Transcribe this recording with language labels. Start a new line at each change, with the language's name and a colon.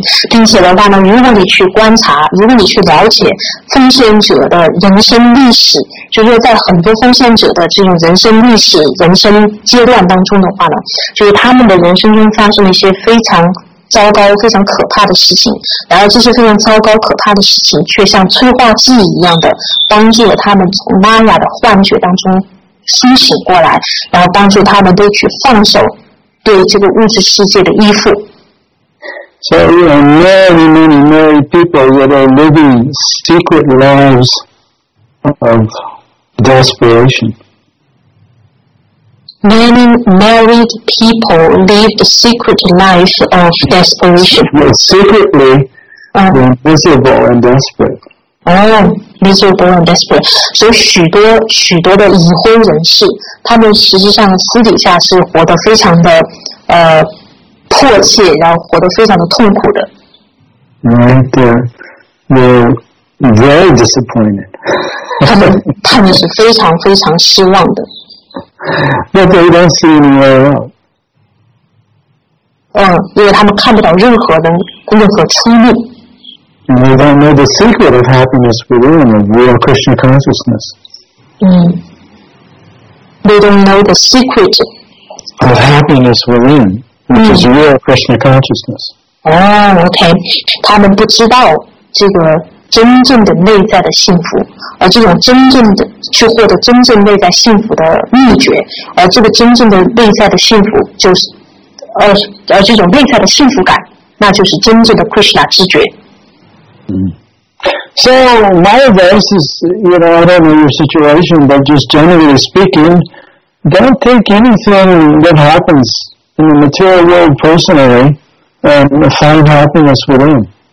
Chinese: 并且的话呢，如果你去观察，如果你去了解奉献者的人生历史，就是在很多奉献者的这种人生历史、人生阶段当中的话呢，就是他们的人生中发生了一些非常糟糕非常可怕的事情，然后这些非常糟糕可怕的事情却像催化剂一样的帮助了他们从玛雅的幻觉当中苏醒过来，然后帮助他们都去放手对这个物质世界的依附。
English: So there are many many many people that are living secret lives of desperation. Many married people live the secret life of desperation. Secretly, miserable and desperate. Miserable and desperate.
Chinese: 所以许多许多的已婚人士，他们实际上私底下是活得非常的迫切，然后活得非常的痛苦的。
English: They're very disappointed.
Chinese: 他们是非常非常失望的。
English: But they don't see anywhere else.
Chinese: 因为他们看不到任何人任何出路。
English: And they don't know the secret of happiness within of real Krishna consciousness. They don't know the secret of happiness within, which is real Krishna consciousness. Okay.
Chinese: 他们不知道这个真正的内在的幸福，而这种真正的去获得真正内在幸福的秘诀，而这个真正的内在的幸福就是而这种内在的幸福感，那就是真正的 Krishna 知觉。
English: So my advice is, you know, I don't know your situation, but just generally speaking, don't take anything that happens in the material world personally and find happiness within.